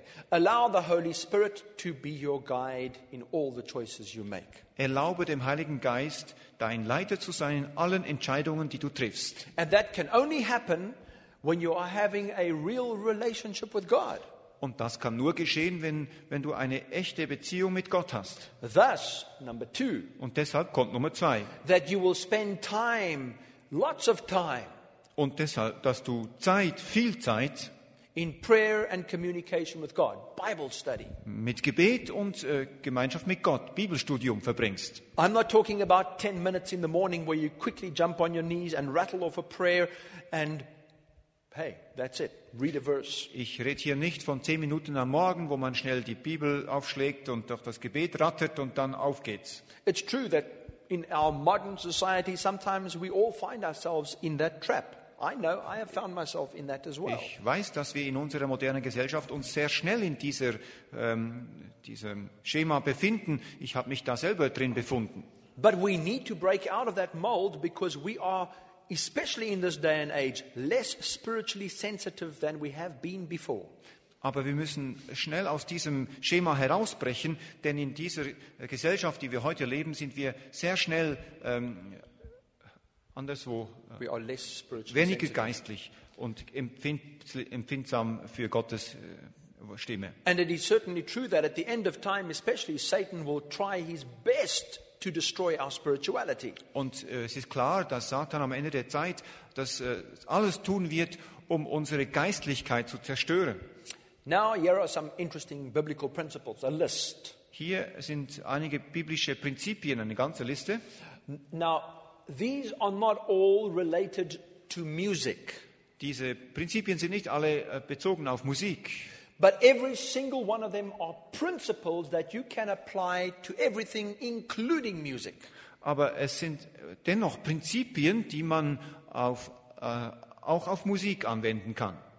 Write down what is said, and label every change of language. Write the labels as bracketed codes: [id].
[en] Allow the Holy Spirit to be your guide in all the choices you make. [de] Erlaube dem Heiligen Geist, dein Leiter zu sein in allen Entscheidungen, die du triffst. [en] And that can only happen when you are having a real relationship with God. [de] Und das kann nur geschehen, wenn du eine echte Beziehung mit Gott hast. [en] Thus, number two, [de] und deshalb kommt Nummer zwei. [en] That you will spend time, lots of time, [de] und deshalb, dass du Zeit, viel Zeit [en] in prayer and communication with God, Bible study. [de] Mit Gebet und Gemeinschaft mit Gott, Bibelstudium verbringst. [en] I'm not talking about 10 minutes in the morning where you quickly jump on your knees and rattle off a prayer and hey, that's it. Read a verse. [de] Ich rede hier nicht von 10 Minuten am Morgen, wo man schnell die Bibel aufschlägt und durch das Gebet rattert und dann auf geht's. [en] It's true that in our modern society sometimes we all find ourselves in that trap. I know, I have found myself in that as well. [de] Ich weiß, dass wir in unserer modernen Gesellschaft uns sehr schnell in diesem Schema befinden. Ich habe mich da selber drin befunden. [en] But we need to break out of that mold because we are especially in this day and age, less spiritually sensitive than we have been before. [de] Aber wir müssen schnell aus diesem Schema herausbrechen, denn in dieser Gesellschaft, die wir heute leben, sind wir sehr schnell anderswo, [en] we are less spiritually [de] weniger [en] sensitive. [de] Geistlich und empfindsam für Gottes Stimme. [en] And it is certainly true that at the end of time, especially Satan will try his best to destroy our spirituality. [de] Und es ist klar, dass Satan am Ende der Zeit das alles tun wird, um unsere Geistlichkeit zu zerstören. [en] Now here are some interesting biblical principles, a list. [de] Hier sind einige biblische Prinzipien, eine ganze Liste. [en] Now these are not all related to music. [de] Diese Prinzipien sind nicht alle bezogen auf Musik. [en] But every single one of them are principles that you can apply to everything, including music. [de] Aber es sind dennoch Prinzipien, die man auch auf Musik anwenden kann.